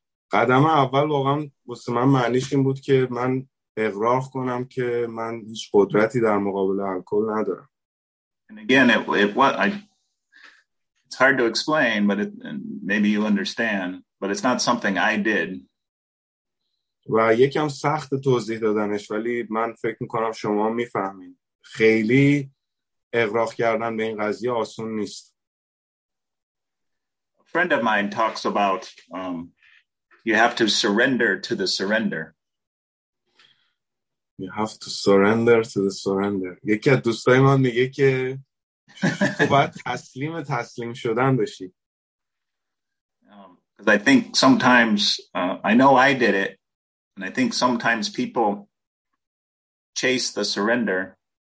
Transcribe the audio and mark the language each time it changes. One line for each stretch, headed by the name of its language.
Persian: قدم اول واقعا واسه من معنیش این بود که من اقرار کنم که من هیچ قدرتی در مقابل الکل ندارم.
English: And again it's hard to explain, but maybe you understand, but it's not something I did.
Persian: و یکم سخت توضیح دادنش ولی من فکر می‌کنم شما می‌فهمین. خیلی اغراق کردن به این قضیه آسون نیست.
English: A friend of mine talks about you have to surrender to the surrender. You have to surrender to the surrender.
Persian: یکی از دوستای من میگه که باید تسلیم شدن بشی.
English: Because I think sometimes I know I did it and I think sometimes people chase the surrender.